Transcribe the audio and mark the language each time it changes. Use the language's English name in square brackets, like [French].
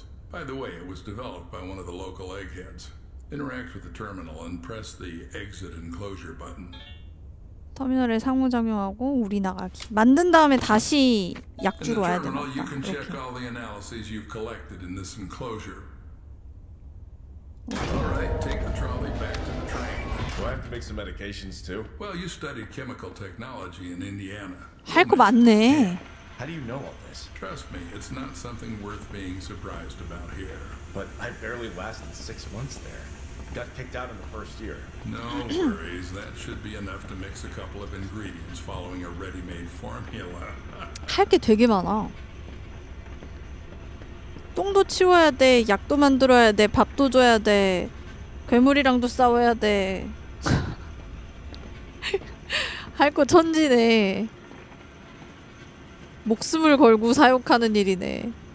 [English] By the way, it was developed by one of the local eggheads. Interact with the terminal and press the exit and closure button. [Korean] 터미널에 상호 작용하고 우리 나가기. 만든 다음에 다시 약주로 와야 된다. [English] You can check all the analyses you've collected in this enclosure. All right, take the trolley back to the train. Do I have to make some medications too? Well, you studied chemical technology in Indiana. [Korean] 할 거 많네. [English] How do you know all this? Trust me, it's not something worth being surprised about here. But I barely lasted 6 months there. Got kicked out in the first year. No worries, that should be enough to mix a couple of ingredients following a ready-made formula. [Korean] 할 게 되게 많아. 똥도 치워야 돼, 약도 만들어야 돼, 밥도 줘야 돼. 괴물이랑도 싸워야 돼. 할 거 천지네. 목숨을 걸고 사육하는 일이네.